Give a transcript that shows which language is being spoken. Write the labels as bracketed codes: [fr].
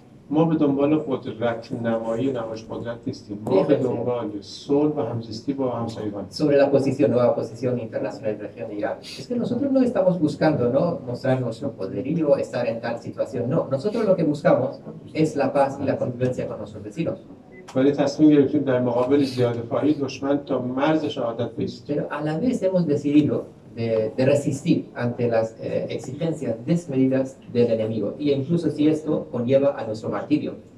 [fa] ما به دنبال قدرت نمایی نمایش قدرت نیستیم. ما به دنبال صلح و همزیستی با همسایگان. [es] Sobre la posición, nueva posición internacional en región de Irán. Es que nosotros no estamos buscando, ¿no?, mostrar nuestro poderío, estar en tal situación. No, nosotros lo que buscamos es la paz y la convivencia con nuestros vecinos. [fa] ولی تصمیم گرفتیم در مقابل زیادفاعی دشمن تا مرز شهادت بیست. [es] Pero a la vez hemos decidido de resistir ante las exigencias desmedidas del enemigo, y incluso si esto conlleva a nuestro martirio.